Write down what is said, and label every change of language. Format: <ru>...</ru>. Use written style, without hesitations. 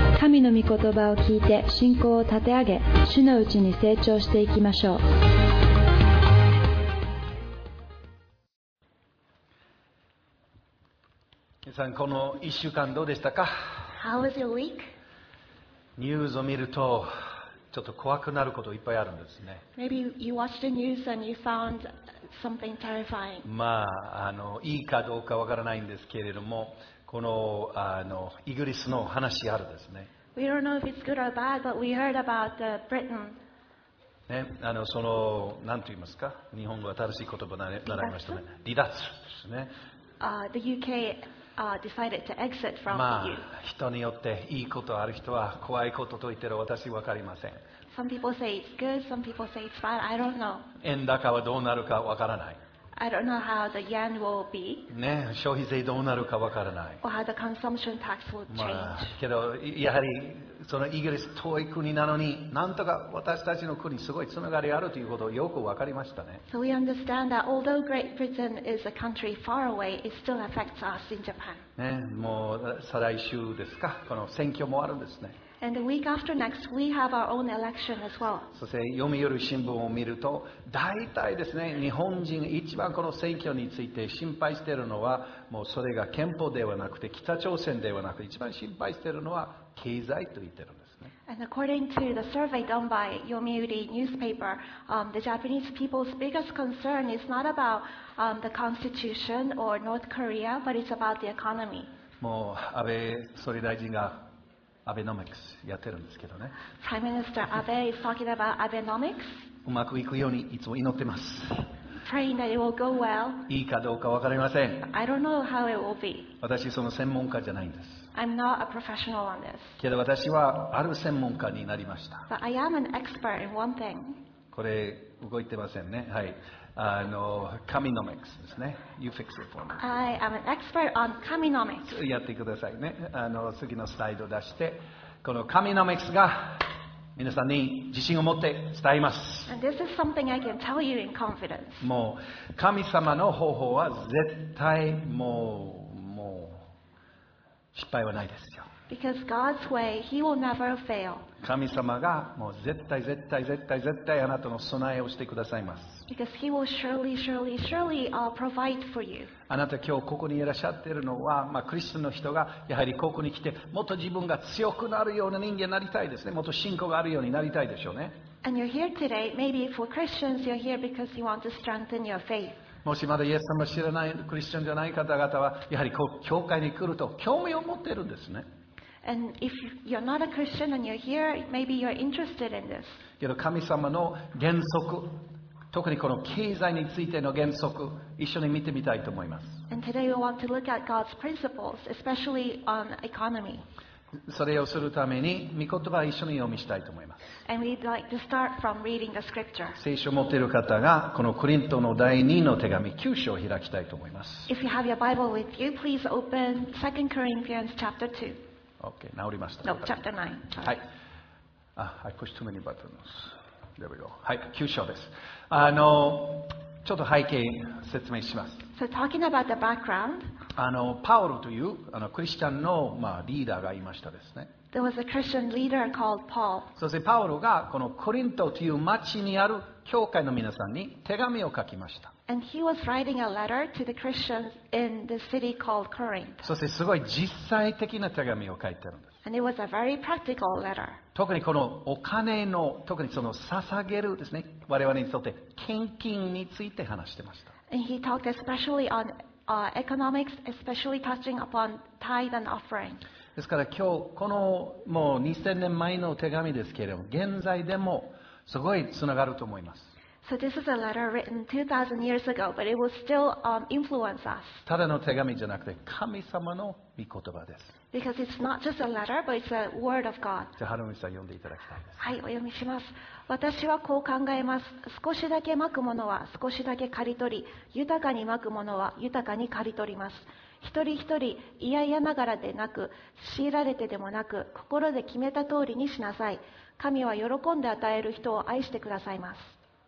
<ja>神の御言葉を聞いて信仰を立て上げ、主のうちに成長していきましょう。皆さん、この1週間どうでしたか？</ja> <en>How was your week?</en> <ja>ニュースを見ると、ちょっと怖くなることいっぱいあるんですね。</ja> <en>Maybe you watched the news and you found something terrifying.</en> <ja>まあ、いいかどうかわからないんですけれども、この、イギリスの話があるですね。</ja> <en>We don't know if it's good or bad, but we heard about the Britain.</en> <ja>ね、その、なんて言いますか？日本語新しい言葉に習いましたね。離脱ですね。</ja> <en>The UK, decided to exit from the EU.</en> <ja>まあ、人によっていいことある人は怖いことと言ってる私わかりません。</ja> <en>Some people say it's good, some people say it's bad, I don't know.</en> <ja>円高はどうなるかわからない。</ja> <en>I don't know how the yen will be.</en> <ja>ね、消費税どうなるかわからない。</ja> <en>Or how the consumption tax will change.</en> <ja>まあ、けどやはりそのイギリス遠い国なのに、なんとか私たちの国にすごいつながりあるということをよくわかりましたね。</ja> <en>So we understand that although Great Britain is a country far away, it still affects us in Japan.</en> <ja>ね、もう再来週ですか、この選挙もあるんですね。</ja> <en>And the week after next, we have our own election as well.</en> <ja>そして読み寄る新聞を見ると、大体ですね、日本人一番この選挙について心配しているのは、もうそれが憲法ではなくて北朝鮮ではなく、一番心配しているのは経済と言っているんですね。</ja> <en>And according to the survey done by 読売 newspaper, the Japanese people's biggest concern is not about the constitution or North Korea, but it's about the economy.</en> <ja>もう安倍総理大臣がアベノミクスやってるんですけどね。</ja> <en>Prime Minister Abe is talking about Abenomics.</en> <ja>うまくいくようにいつも祈ってます。</ja> <en>Praying that it will go well.</en> <ja>いいかどうかわかりません。</ja> <en>I don't know how it will be.</en> <ja>私その専門家じゃないんです。</ja> <en>I'm not a professional on this.</en> <ja>けど私はある専門家になりました。</ja> <en>But I am an expert in one thing.</en> <ja>これ動いてませんね。はい。Kaminomics ですね。</ja> <en>You fix it for me. I am an expert on Kaminomics.</en> <ja>やってくださいね。次のスライドを出して、この Kaminomics が皆さんに自信を持って伝えます。</ja> <en>And this is something I can tell you in confidence.</en> <ja>もう神様の方法は絶対もう失敗はないですよ。</ja> <en>Because God's way, He will never fail.</en> <ja>神様がもう絶対絶対絶対絶対あなたの備えをしてくださいます。</ja> <en>Because He will surely, surely, surely provide for you.</en> <ja>あなた今日ここにいらっしゃっているのは、まあ、クリスチャンの人がやはりここに来て、もっと自分が強くなるような人間になりたいですね。もっと信仰があるようになりたいでしょうね。</ja> <en>And you're here today, maybe for Christians, you're here because you want to strengthen your faith.</en> <ja>もしまだイエス様を知らないクリスチャンじゃない方々は、やはり教会に来ると興味を持っているんですね。</ja> <en>And if you're not a Christian and you're here, maybe you're interested in this.</en> <ja>けど神様の原則、特にこの経済についての原則、一緒に見てみたいと思います。</ja> <en>And today we want to look at God's principles, especially on economy.</en> <ja>それをするために、御言葉を一緒に読みしたいと思います。</ja> <en>And we'd like to start from reading the scripture.</en> <ja>聖書を持っている方が、このコリントの第2の手紙、9章を開きたいと思います。</ja> <en>If you have your Bible with you, please open 2 Corinthians chapter 2.</en> <ja>Okay, 治りました。</ja> <en>No, chapter 9. はい。I pushed too many buttons. There we go.</en> <ja>はい、9章です。ちょっと背景説明します。</ja> <en>So talking about the background.</en> <ja>パウロというクリスチャンの、まあ、リーダーがいましたですね。</ja> <en>There was a Christian leader called Paul.</en> <ja>そしてパウロがこのコリントという町にある教会の皆さんに手紙を書きました。</ja> <en>And he was writing a letter to the Christians in the city called Corinth.</en> <ja>そしてすごい実際的な手紙を書いてるんです。</ja> <en>And it was a very practical letter.</en> <ja>特にこのお金の、特にその捧げるですね、我々にとって献金について話してました。</ja> <en>And he talked especially on economics, especially touching upon tithe and offering.</en> <ja>ですから今日このもう2000年前の手紙ですけれども現在でもすごいつながると思います。</ja> <en>So this is a letter written 2000 years ago, but it will still influence us.</en> <ja>ただの手紙じゃなくて神様の御言葉です。</ja> <en>Because it's not just a letter, but it's a word of God.</en> <ja>じゃあハルミさん読んでいただきたいです。はい、お読みします。私はこう考えます。少しだけまくものは少しだけ刈り取り、豊かにまくものは豊かに刈り取ります。一人一人いやいやながらでなく強いられてでもなく心で決めた通りにしなさい。神は喜んで与える人を愛してくださいます。</ja>